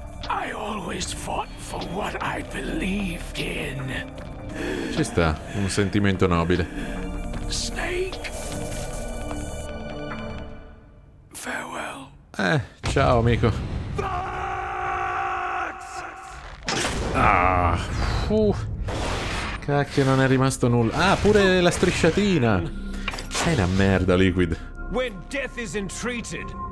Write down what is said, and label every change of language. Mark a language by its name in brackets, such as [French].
[English] I always fought for what I believed in. [Italian] Ci sta, un sentimento nobile. [English] Snake. Farewell. [Italian] Ciao amico. Cacchio, non è rimasto nulla. Ah, pure la strisciatina. Sei una merda, Liquid. [English] When death is entreated.